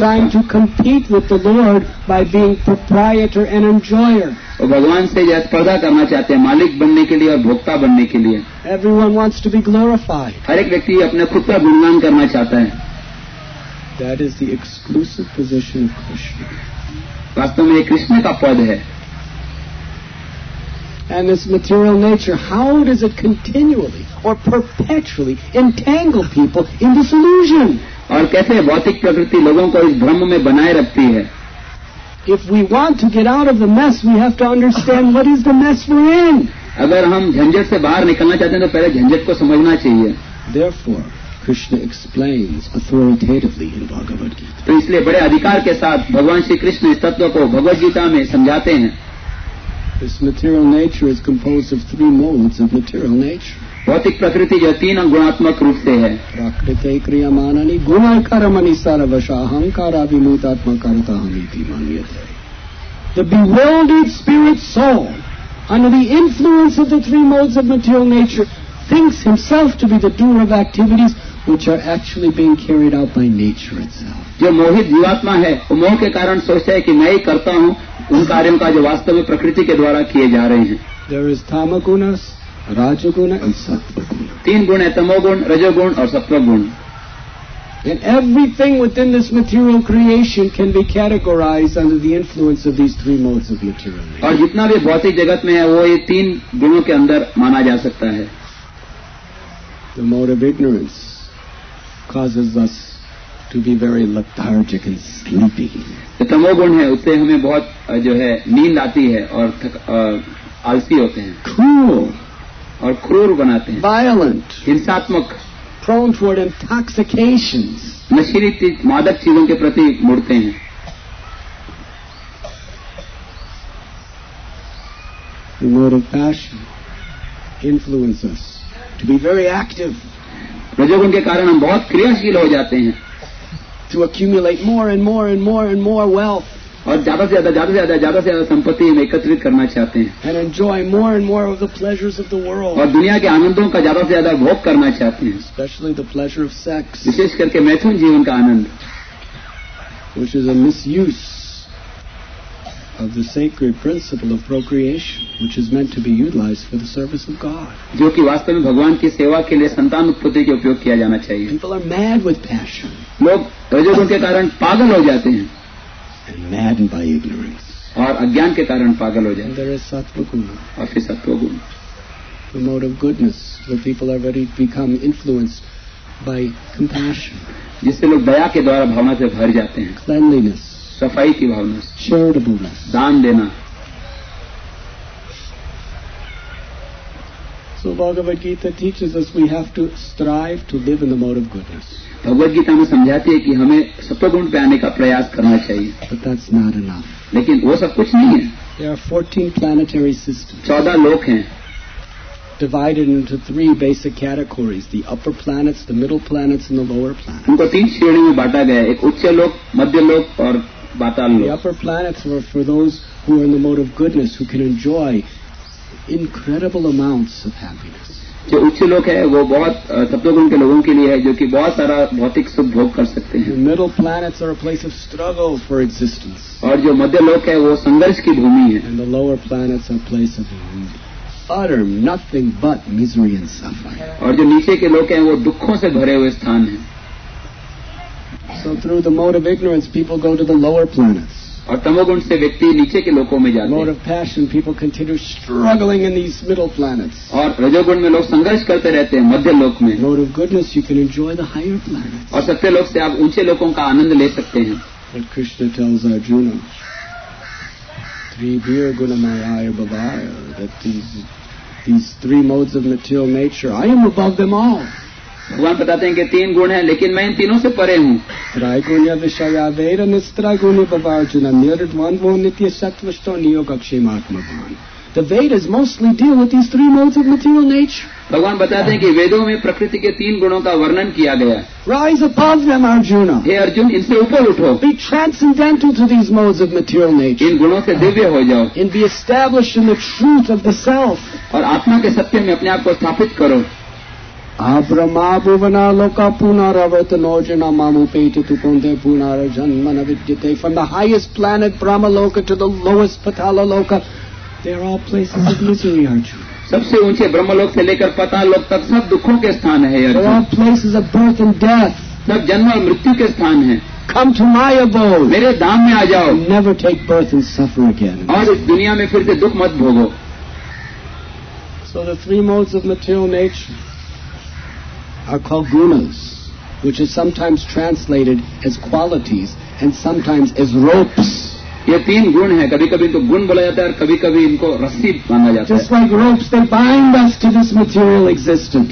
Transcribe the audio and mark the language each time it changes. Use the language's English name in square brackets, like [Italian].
[English] Trying to compete with the lord by being proprietor and enjoyer. [Hindi] भगवान से जो स्पर्धा करना चाहते हैं मालिक बनने के लिए और भोक्ता बनने के लिए. [English] Everyone wants to be glorified. [Hindi] हर एक व्यक्ति अपने खुद का गुणगान करना चाहता है. [English] That is the exclusive position of Krishna. [Hindi] वास्तव में ये कृष्ण का पद है. [English] And this material nature, how does it continually or perpetually entangle people in this illusion? [Hindi] और कैसे भौतिक प्रकृति लोगों को इस भ्रम में बनाए रखती है? [English] If we want to get out of the mess, we have to understand what is the mess we're in. [Hindi] अगर हम झंझट से बाहर निकलना चाहते हैं तो पहले झंझट को समझना चाहिए. [English] Therefore, Krishna explains authoritatively in Bhagavad Gita. [Hindi] तो इसलिए बड़े अधिकार के साथ भगवान श्री कृष्ण इस तत्व को भगवद गीता में समझाते हैं. [English] This material nature is composed of three modes of material nature. [Hindi] भौतिक प्रकृति जो तीन गुणात्मक रूप से है. [Sanskrit] प्रकृते क्रियमानानि गुणकर्मणि सर्वशः अहंकारा विमूतात्मा कर्तामिति मन्यते. [English] The bewildered spirit soul, under the influence of the three modes of material nature, thinks himself to be the doer of activities which are actually being carried out by nature itself. [Hindi] जो मोहित जीवात्मा है वो मोह के कारण सोचता है कि मैं ही करता हूँ उन कार्यों का जो वास्तव में प्रकृति के द्वारा किए जा रहे हैं. [English] There is tamoguna, rajoguna and sattvaguna. [Hindi] तीन गुण है तमोगुण रजोगुण और सत्वगुण. [English] And everything within this material creation can be categorized under the influence of these three modes of material. [Hindi] और जितना भी भौतिक जगत में है वो ये तीन गुणों के अंदर माना जा सकता है. [English] The mode of ignorance causes us to be very lethargic and sleepy. [Hindi] जो तमोगुण है उससे हमें बहुत जो है नींद आती है और आलसी होते हैं. [English] Cruel [Hindi] और क्रूर बनाते हैं. [English] Violent [Hindi] हिंसात्मक. [English] Prone toward intoxications [Hindi] नशीली मादक चीजों के प्रति मुड़ते हैं. [English] The mode of passion influences to be very active. [Hindi] रजोगुण के कारण हम बहुत क्रियाशील हो जाते हैं. [English] To accumulate more and more and more and more wealth. [Hindi] और ज्यादा से ज्यादा संपत्ति हम एकत्रित करना चाहते हैं. [English] And enjoy more and more of the pleasures of the world. [Hindi] और दुनिया के आनंदों का ज्यादा से ज्यादा भोग करना चाहते हैं. [English] Especially the pleasure of sex. [Hindi] विशेष करके मैथुन जीवन का आनंद. [English] Which is a misuse of the sacred principle of procreation, which is meant to be utilized for the service of God. [Hindi] जो कि वास्तव में भगवान की सेवा के लिए संतान उत्पत्ति के उपयोग किया जाना चाहिए. [English] People are mad with passion. [Hindi] लोग रजोगुण के कारण पागल हो जाते हैं. [English] And maddened by ignorance. [Hindi] और अज्ञान के कारण पागल हो जाते हैं. [English] There is sattvaguna. [Hindi] और फिर सत्वगुण. [English] The mode of goodness, where people are very become influenced by compassion. [Hindi] जिससे लोग दया के द्वारा भावना से भर जाते हैं. [English] Cleanliness. [Hindi] सफाई की भावना. [English] Charitableness. [Hindi] दान देना. [English] So Bhagavad Gita teaches us we have to strive to live in the mode of goodness. [Hindi] Bhagavad Gita में समझाती है कि हमें सत्वगुण पे आने का प्रयास करना चाहिए. [English] But that's not enough. [Hindi] लेकिन वो सब कुछ नहीं है. [English] There are 14 planetary systems. [Hindi] 14 लोक हैं. [English] Divided into three basic categories, the upper planets, the middle planets, and the lower planets. [Hindi] उनको तीन श्रेणी में बांटा गया है. एक उच्च लोक, मध्य लोक और पाताल लोक. [English] The upper planets are for those who are in the mode of goodness, who can enjoy incredible amounts of happiness. [Hindi] जो उच्च लोक है वो बहुत तत्वगुण के लोगों के लिए है जो कि बहुत सारा भौतिक सुख भोग कर सकते हैं. [English] Middle planets are a place of struggle for existence. [Hindi] और जो मध्य लोक है वो संघर्ष की भूमि है. [English] And the lower planets are a place of utter nothing but misery and suffering. [Hindi] और जो नीचे के लोक हैं वो दुखों से भरे हुए स्थान हैं. [English] So through the mode of ignorance, people go to the lower planets. [Hindi] और तमोगुण से व्यक्ति नीचे के लोकों में जाते हैं. [English] Mode of passion, people continue struggling in these middle planets. [Hindi] और रजोगुण में लोग संघर्ष करते रहते हैं मध्य लोक में. [English] Mode of goodness, you can enjoy the higher planets. [Hindi] और सत्य लोक से आप ऊंचे लोकों का आनंद ले सकते हैं. [English] But Krishna tells Arjuna, [Sanskrit] Tribhir Gunamaya Bhavaya, [English] that these three modes of material nature, I am above them all. [Hindi] भगवान बताते हैं कि तीन गुण हैं लेकिन मैं इन तीनों से परे हूँ. [Sanskrit] त्रैगुण्य विषय वैर निस्त्रैगुण्य पवार्जुन निर्द्वंद्व नित्य सत्वस्तो नियोग क्षेमात्म भगवान. [English] The Vedas mostly deal with these three modes of material nature. [Hindi] भगवान बताते हैं कि वेदों में प्रकृति के तीन गुणों का वर्णन किया गया है. [English] Rise above them Arjun. [Hindi] हे अर्जुन इनसे ऊपर उठो. [English] Be transcendental to these modes of material nature. [Hindi] इन गुणों से दिव्य हो जाओ. [English] In be established in the truth of the self. [Hindi] और आत्मा के सत्य में अपने आप को स्थापित करो. [Sanskrit] आब्रह्मा भुवनालोका पुनरावर्तनोर्जुना मामुपेति तुकुंते पुनर्जन्मन विद्यते. [English] From the highest planet Brahmaloka to the lowest Patalaloka, there are all places of misery Arjuna. [Hindi] सबसे ऊंचे ब्रह्मलोक से लेकर पतालोक तक सब दुखों के स्थान है Arjun. [English] There are places of birth and death. [Hindi] सब जन्म और मृत्यु के स्थान है. [English] Come to my abode. [Hindi] मेरे धाम में आ जाओ. [English] Never take birth and suffer again. [Hindi] और इस दुनिया में फिर से दुख मत भोगो. [English] So the three modes of material nature are called gunas, which is sometimes translated as qualities and sometimes as ropes. [Hindi] ये तीन गुण हैं. कभी कभी इनको गुण बोला जाता है और कभी कभी इनको रस्सी बांधा जाता है. [English] Just like ropes, they bind us to this material existence.